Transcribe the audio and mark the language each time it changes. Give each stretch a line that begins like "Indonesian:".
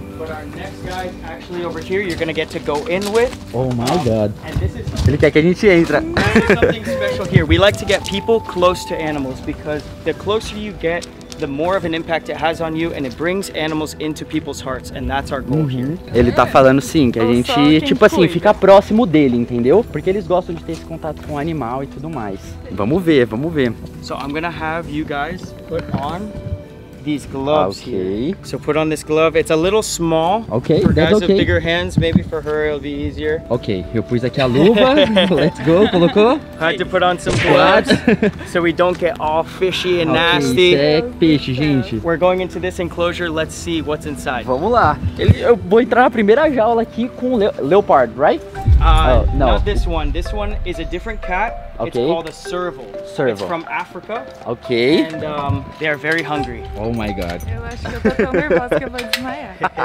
English: But our next guy is actually over here, you're gonna get to go in with. Oh my god.
Portuguese: Ele quer que a gente entra.
English: Something special here. We like to get people close to animals because the closer you get, the more of an impact it has on you and it brings animals into people's hearts and that's our goal here.
Portuguese: Ele tá falando sim, que a gente, tipo assim, fica próximo dele, entendeu? Porque eles gostam de ter esse contato com o animal e tudo mais. Vamos ver, vamos ver.
English: So I'm gonna have you guys put on these gloves okay. here. So put on this glove. It's a little small. Okay, for that's guys okay. with bigger hands, maybe for her it'll be easier.
Portuguese: Okay, eu pus aqui a luva.
English: Let's go,
Portuguese: colocou.
English: I had to put on some gloves so we don't get all fishy and okay, nasty.
Portuguese: Isso é peixe, gente.
English: We're going into this enclosure. Let's see what's inside.
Portuguese: Vamos lá. Eu vou entrar na primeira jaula aqui com o leopard,
English: right? No. Not this one. This one is a different cat. Okay. It's called a serval. Serval. It's from Africa. Okay. And they are very hungry. Oh my god.
Portuguese: Eu acho que eu tô tão nervosa que eu vou desmaiar.